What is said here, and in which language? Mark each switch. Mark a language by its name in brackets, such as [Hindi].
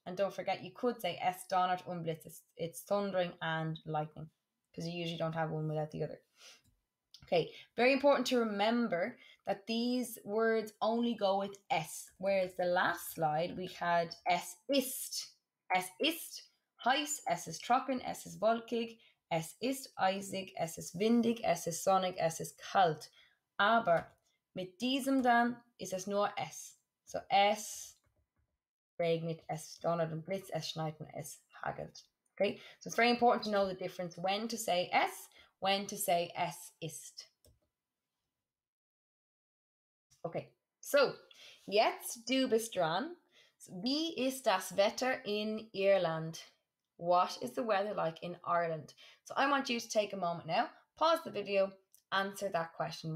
[English] And don't forget, you could say [German] es donnert und blitzt. [English] It's thundering and lightning. Because you usually don't have one without the other. Okay, very important to remember that these words only go with es. Whereas the last slide, we had es ist. [German] Es ist heiß, es ist trocken, es ist wolkig, es ist eisig, es ist windig, es ist sonnig, es ist kalt. Aber mit diesem dann ist es nur es. So es regnet, es donnert und blitzt, es schneit und es hagelt. [English] Okay, so it's very important to know the difference when to say es, when to say es ist. [German] Okay, so jetzt du bist dran. So, wie ist das Wetter in Irland? [English] What is the weather like in Ireland? So I want you to take a moment now, pause the video, answer that question.